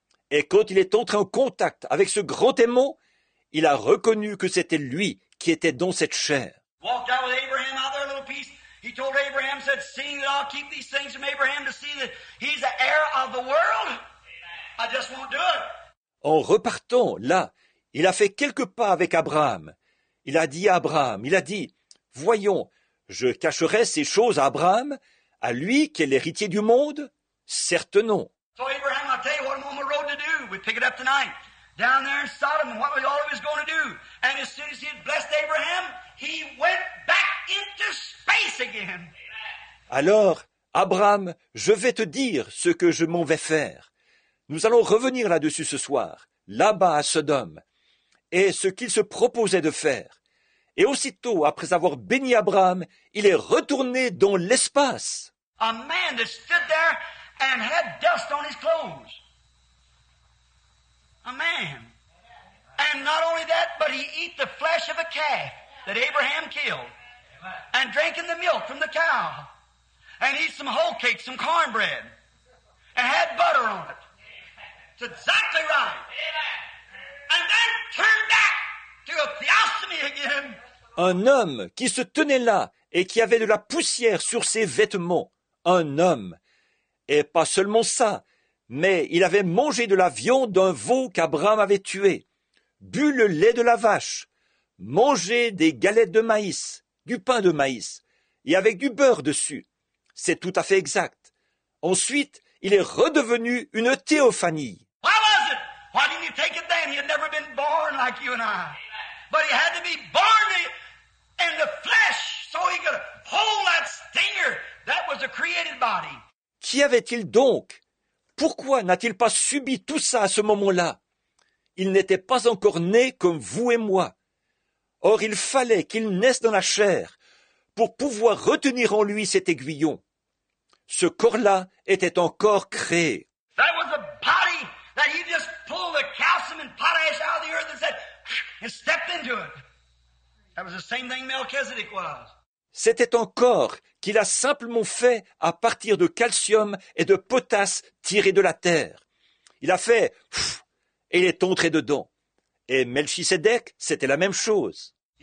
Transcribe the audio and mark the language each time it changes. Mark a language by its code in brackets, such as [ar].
[fr] Et quand il est entré en contact avec ce grand aimant, il a reconnu que c'était lui qui était dans cette chair. [en] Walked out with Abraham out there a little piece. He told Abraham, said, seeing that I'll keep these things from Abraham to see that he's the heir of the world, I just won't do it. [fr] En repartant là, il a fait quelques pas avec Abraham. Il a dit à Abraham, il a dit, « Voyons, je cacherai ces choses à Abraham, à lui qui est l'héritier du monde ? Certes non. » [en] So Abraham, I'll tell you what I'm on the road to do. We pick it up tonight. Down there in Sodom, what was all he was going to do? And as soon as he had blessed Abraham, he went back into space again. [fr] Alors, Abraham, je vais te dire ce que je m'en vais faire. Nous allons revenir là-dessus ce soir, là-bas à Sodome. Et ce qu'il se proposait de faire. Et aussitôt, après avoir béni Abraham, il est retourné dans l'espace. [en] A man that stood there and had dust on his clothes. A man. And not only that, but he ate the flesh of a calf. that Abraham killed. Amen. And drinking the milk from the cow. And eat some whole cake, some cornbread. And had butter on it. It's exactly right. Amen. And then turn back to a theosomy again. [fr] Un homme qui se tenait là et qui avait de la poussière sur ses vêtements. Un homme. Et pas seulement ça, mais il avait mangé de la viande d'un veau qu'Abraham avait tué, bu le lait de la vache, mangé des galettes de maïs, du pain de maïs, et avec du beurre dessus. C'est tout à fait exact. Ensuite, il est redevenu une théophanie. [en] Why was it? Why didn't you take it then? He had never been born like you and I. But he had to be born in the flesh so he could hold that stinger that was a created body. [fr] Qui avait-il donc? Pourquoi n'a-t-il pas subi tout ça à ce moment-là? Il n'était pas encore né comme vous et moi. Or, il fallait qu'il naisse dans la chair pour pouvoir retenir en lui cet aiguillon. Ce corps-là était un corps créé. [en] That was a body that he just pulled the calcium and potash out of the earth and said, and stepped into it. That was the same thing Melchizedek was. [fr] C'était un corps qu'il a simplement fait à partir de calcium et de potasse tirés de la terre. Il a fait « et il est entré dedans ». Et Melchisédek, c'était la même chose.